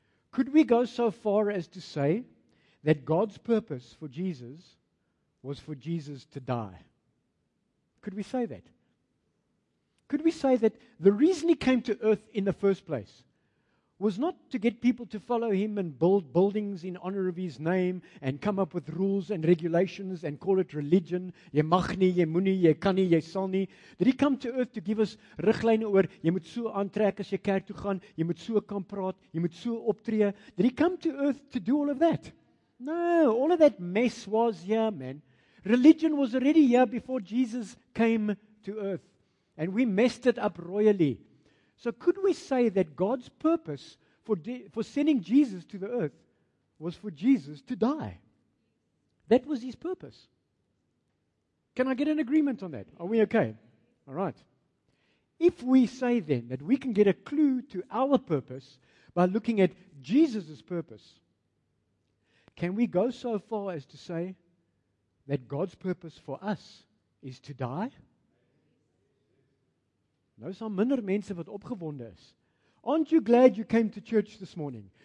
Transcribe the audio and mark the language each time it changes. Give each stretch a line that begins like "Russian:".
English: Could we go so far as to say that God's purpose for Jesus was for Jesus to die? Could we say that? Could we say that the reason He came to earth in the first place was not to get people to follow Him and build buildings in honor of His name and come up with rules and regulations and call it religion?
Afrikaans: Je mag nie, je moet nie, je kan nie, je sal nie.
English: Did He come to earth to give us
Afrikaans: riglyne oor, jy moet so aantrek as jy kerk toe gaan, jy moet so kan praat, jy moet so optree?
English: Did He come to earth to do all of that? No, all of that mess was here, man. Religion was already here before Jesus came to earth. And we messed it up royally. So could we say that God's purpose for sending Jesus to the earth was for Jesus to die? That was His purpose. Can I get an agreement on that? Are we okay? All right. If we say then that we can get a clue to our purpose by looking at Jesus' purpose, can we go so far as to say that God's purpose for us is to die?
Afrikaans: Nou is al minder mense wat opgewonde is.
English: Aren't you glad you came to church this morning?